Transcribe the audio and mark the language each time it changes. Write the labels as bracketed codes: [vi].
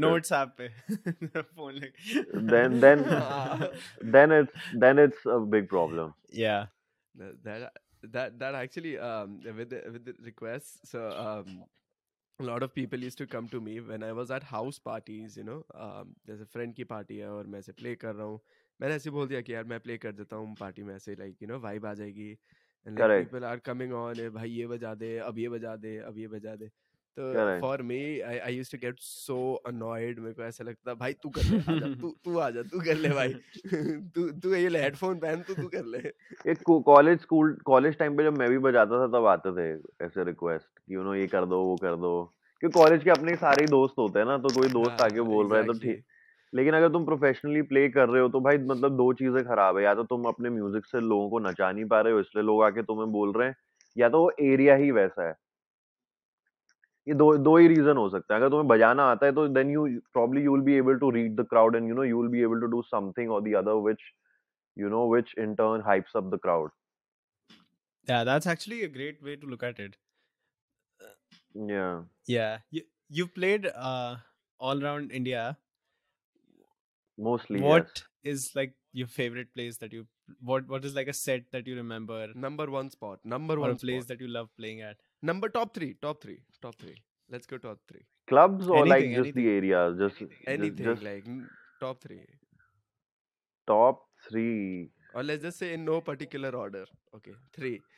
[en] Notes app pe. Phone like. then it's a big problem. Yeah. That actually, with the requests, so a lot of people used to come to me when I was at house parties, there's a friend [hi] ki party hai aur main se play kar raha hu. मैंने ऐसे बोल दिया कि यार मैं play कर देता हूँ पार्टी में, ऐसे लाइक वाइब आ जाएगी, [en] people are coming on, [hi] भाई ये बजा दे, अब ये बजा दे, अब ये बजा दे. तो [en] for me, I used to get so annoyed, [hi] मेरे को ऐसा लगता था भाई तू कर ले भाई, तू ये ले हेडफोन पहन, तू कर ले. एक कॉलेज स्कूल कॉलेज टाइम पे जब मैं भी बजाता था तब आते थे ऐसे रिक्वेस्ट, ये कर दो वो कर दो, क्योंकि कॉलेज के अपने सारे दोस्त होते हैं ना, तो कोई दोस्त आके बोल रहे तो ठीक, लेकिन अगर तुम प्रोफेशनली प्ले कर रहे हो तो भाई मतलब दो चीजें खराब है, या तो तुम अपने म्यूजिक से लोगों को नचा नहीं पा रहे हो इसलिए लोग आके तुम्हें बोल रहे हैं, या तो वो एरिया ही वैसा है, ये दो ही रीजन हो सकते हैं. अगर तुम्हें बजाना आता है तो [en] Then you probably you will be able to read the crowd and you will be able to do something or the other which in turn hypes up the crowd. Yeah that's actually a great way to look at it. Yeah you played all around India mostly. Is like your favorite place that you, what is like a set that you remember, number one place that you love playing at, number top three, let's go top three clubs, or anything, like just anything. The area, just anything, just, like top three, or let's just say in no particular order, okay, three,